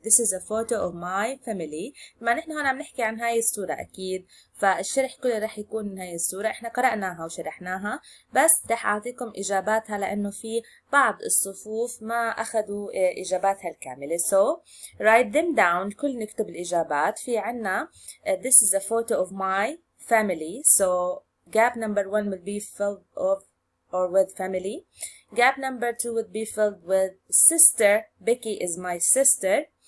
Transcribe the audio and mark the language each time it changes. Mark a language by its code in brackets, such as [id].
[en] This is a photo of my family. [ar] ما نحن هون عم نحكي عن هاي الصورة أكيد، فالشرح كله رح يكون من هاي الصورة. إحنا قرأناها وشرحناها، بس رح أعطيكم إجاباتها لأنه في بعض الصفوف ما أخذوا إجاباتها الكاملة. [en] So write them down. [ar] كل نكتب الإجابات. في عنا [en] this is a photo of my family. So gap number one will be filled of or with family. Gap number two would be filled with sister. Becky is my sister.